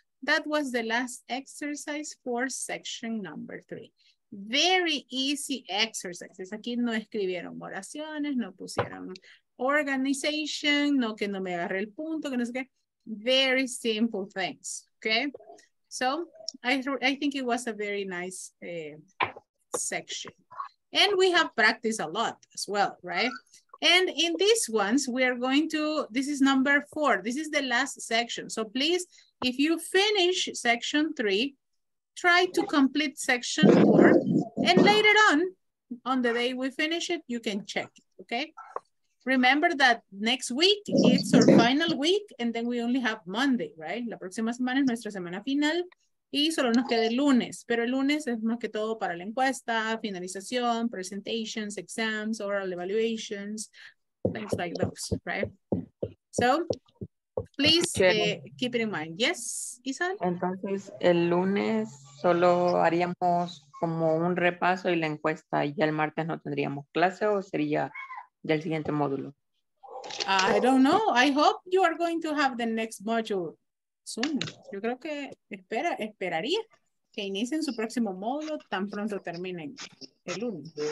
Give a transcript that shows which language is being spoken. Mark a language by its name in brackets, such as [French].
[English] That was the last exercise for section number 3. Very easy exercises. [Spanish] Aquí no escribieron oraciones, no pusieron organization, no que no me agarre el punto, que no sé qué. [English] Very simple things. Okay. So I think it was a very nice section. And we have practiced a lot as well, right? And in these ones, we are going to, this is number 4. This is the last section. So please, if you finish section 3, try to complete section 4. And later on the day we finish it, you can check it, okay? Remember that next week is our final week, and then we only have Monday, right? [Spanish] La próxima semana es nuestra semana final, y solo nos queda el lunes. Pero el lunes es más que todo para la encuesta, finalización, [English] presentations, exams, oral evaluations, things like those, right? So, please keep it in mind. Yes, Isabel? [Spanish] Entonces, el lunes solo haríamos como un repaso y la encuesta, y ya el martes no tendríamos clase, o sería del siguiente módulo. [English] I don't know. I hope you are going to have the next module soon. [Spanish] Yo creo que esperaría que inicien su próximo módulo tan pronto terminen el lunes.